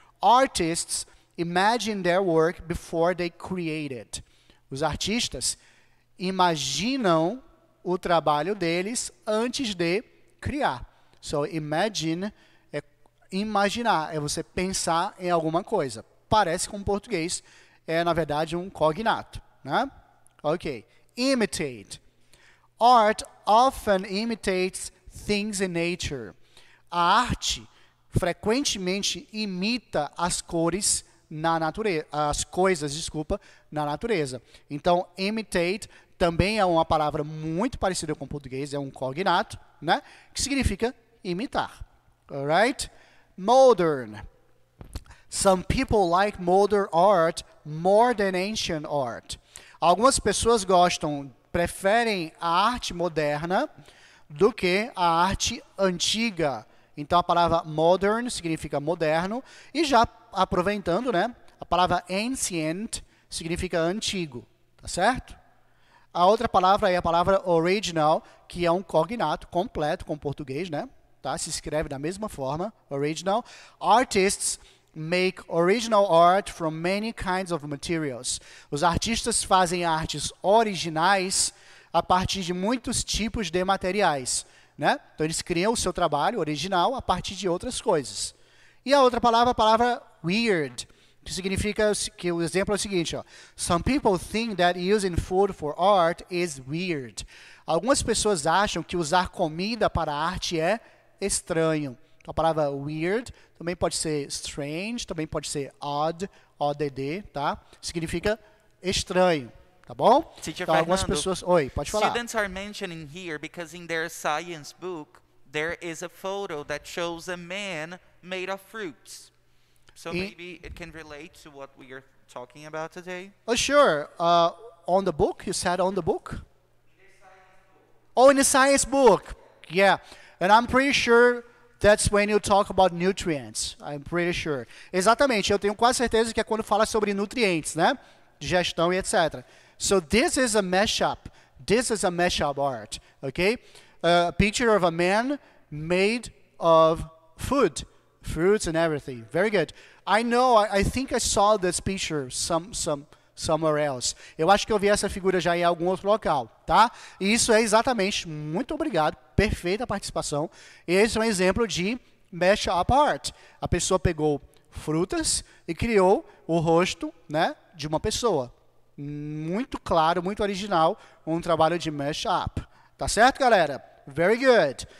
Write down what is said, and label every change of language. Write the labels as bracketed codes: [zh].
[en] Artists imagine their work before they create it. [pt] Os artistas imaginam o trabalho deles antes de criar. So, imagine é imaginar, é você pensar em alguma coisa. Parece com o português, é, na verdade, um cognato, né? [en] Ok. Imitate. Art often imitates things in nature. [pt] A arte frequentemente imita as cores na natureza, as coisas, desculpa, na natureza. Então, imitate também é uma palavra muito parecida com o português, é um cognato, né? Que significa imitar. [en] Alright? [pt] Modern. [en] Some people like modern art more than ancient art. [pt] Algumas pessoas gostam, preferem a arte moderna do que a arte antiga. Então, a palavra modern significa moderno. E já aproveitando, né, a palavra ancient significa antigo. Tá certo? A outra palavra é a palavra original, que é um cognato completo com português, né? Tá? Se escreve da mesma forma, original. [en] Artists make original art from many kinds of materials. [pt] Os artistas fazem artes originais a partir de muitos tipos de materiais, né? Então, eles criam o seu trabalho original a partir de outras coisas. E a outra palavra, a palavra weird, que significa que o exemplo é o seguinte, ó. [en] Some people think that using food for art is weird. [pt] Algumas pessoas acham que usar comida para a arte é estranho. A palavra weird também pode ser strange, também pode ser odd, O-D-D, tá? Significa estranho, tá bom? [en] Teacher [pt] então, Fernando, pessoas... Oi, pode falar. [en] Students are mentioning here because in their science book, there is a photo that shows a man made of fruits. So maybe it can relate to what we are talking about today. Oh, sure. On the book, you said on the book? In the science book. Yeah. And I'm pretty sure that's when you talk about nutrients. I'm pretty sure. [pt] Exatamente. Eu tenho quase certeza que é quando fala sobre nutrientes, né? Digestão e etc. [en] So this is a mashup. This is a mashup art. Okay? A picture of a man made of food. Fruits and everything. Very good. I know. I think I saw this picture somewhere else. [pt] Eu acho que eu vi essa figura já em algum outro local, tá? E isso é exatamente, muito obrigado, perfeita participação. Esse é um exemplo de mashup art. A pessoa pegou frutas e criou o rosto, né, de uma pessoa. Muito claro, muito original, um trabalho de mashup. Tá certo, galera? [en] Very good.